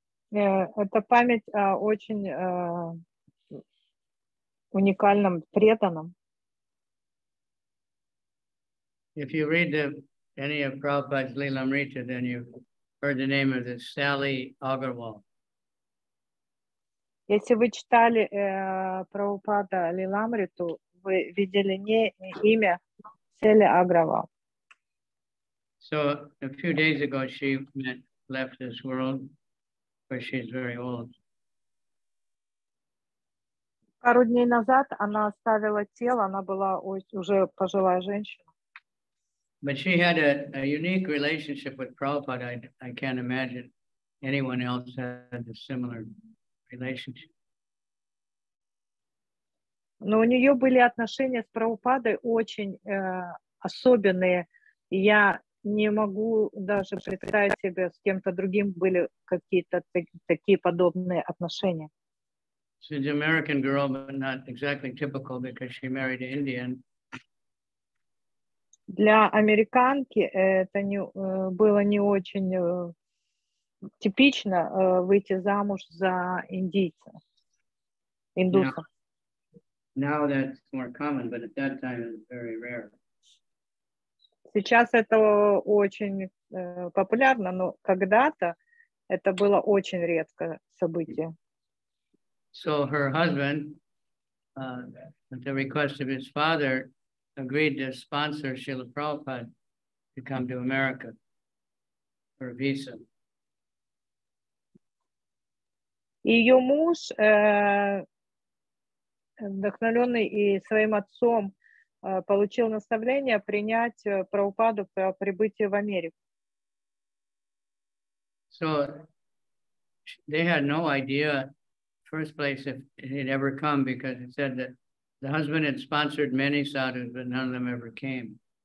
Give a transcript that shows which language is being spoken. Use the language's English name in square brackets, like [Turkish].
[Russian] Это память о очень уникальном преданном. [English] If you read any of Prabhupada's Lilamrita, then you've heard the name of this Sally Agarwal. [Russian] Если вы читали Прабхупада Лиламриту, вы видели не имя Сели Агравал. [English] So a few days ago she left this world, but she's very old. [Russian] Пару дней назад она оставила тело, она была уже пожилая женщина. [English] But she had a unique relationship with Prabhupada. I can't imagine anyone else had a similar relationship. [Russian] Но у нее были отношения с Прабхупадой очень особенные. Я не могу даже представить себе, с кем-то другим были какие-то такие подобные отношения. [English] She's an American girl, but not exactly typical because she married an Indian. [Russian] Для американки это не было не очень типично выйти замуж за индийца, индуса. [English] Yeah. Now that's more common, but at that time it was very rare. [Russian] Сейчас это очень популярно, но когда-то это было очень редкое событие. [English] So her husband, at the request of his father, agreed to sponsor Srila Prabhupada to come to America for a visa. [Russian] Ее муж вдохновленный и своим отцом получил наставление принять Прабхупаду по прибытию в Америку. [English] So they had no idea in the first place if it had ever come, because it said that the husband had sponsored many sadhus, but none of them ever came.